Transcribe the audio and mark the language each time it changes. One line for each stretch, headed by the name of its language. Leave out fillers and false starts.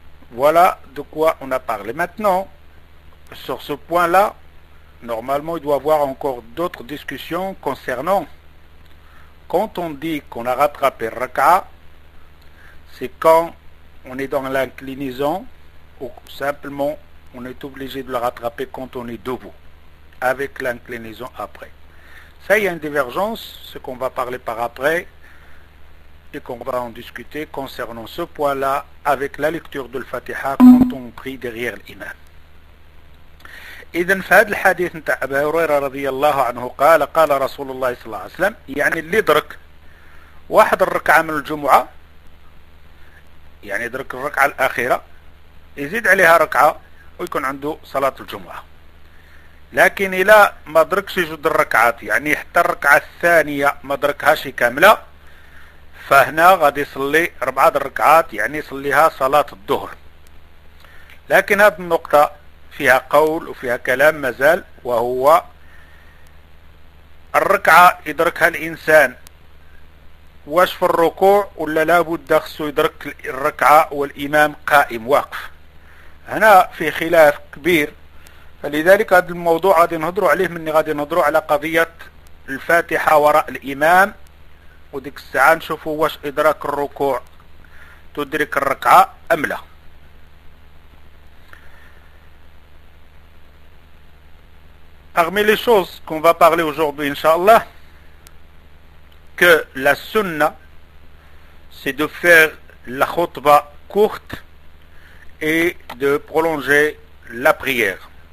French: Voilà de quoi on a parlé. Maintenant, sur ce point-là, normalement, il doit y avoir encore d'autres discussions concernant quand on dit qu'on a rattrapé raka, c'est quand on est dans l'inclinaison ou simplement on est obligé de le rattraper quand on est debout avec l'inclinaison après. Ça, il y a une divergence, ce qu'on va parler par après et qu'on va en discuter concernant ce point-là avec la lecture de l'Fatiha quand on prie derrière l'imam.
Arabic: إذن في هذا الحديث نتاع أبا هريرة رضي الله عنه قال قال رسول الله صلى الله عليه وسلم، يعني اللي درك واحد الركعة من الجمعة، يعني درك الركعة الأخيرة، يزيد عليها ركعة ويكون عنده صلاة الجمعة. لكن إلى ما دركش جد الركعات، يعني حتى الركعة الثانية ما دركهاش كاملة، فهنا غادي يصلي أربعة الركعات، يعني يصليها صلاة الظهر. لكن هذه النقطة فيها قول وفيها كلام مازال، وهو الركعة يدركها الإنسان واش في الركوع ولا لابد خصو يدرك الركعة والإمام قائم واقف. هنا في خلاف كبير، فلذلك هذا الموضوع غادي نهضروا عليه مني غادي نهضروا على قضية الفاتحة وراء الإمام، وديك الساعة نشوفوا واش إدراك الركوع تدرك الركعة أم لا.
French: Parmi les choses qu'on va parler aujourd'hui, Inch'Allah, que la sunna, c'est de faire la khutba courte et de prolonger la prière.